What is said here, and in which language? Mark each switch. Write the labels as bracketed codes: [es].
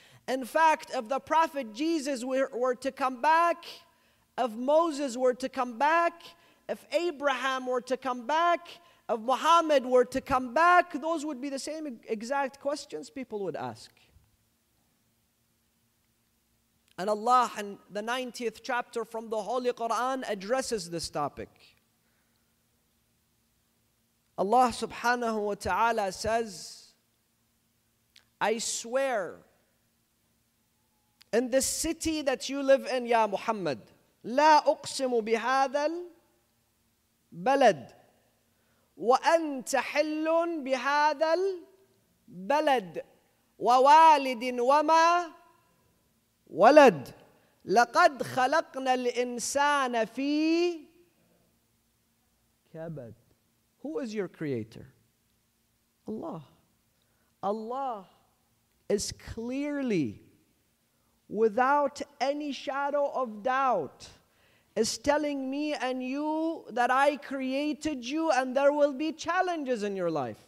[en] In fact, if the Prophet Jesus were to come back, if Moses were to come back, if Abraham were to come back, if Muhammad were to come back, those would be the same exact questions people would ask. And Allah, in the 90th chapter from the Holy Quran, addresses this topic. Allah subhanahu wa ta'ala says, I swear, in the city that you live in, ya Muhammad, [ar] لا أقسم بهذا البلد وأنت حل بهذا البلد ووالد وما ولد لقد خلقنا الإنسان في كبد. [en] Who is your creator? Allah. Allah is clearly, without any shadow of doubt, is telling me and you that I created you and there will be challenges in your life.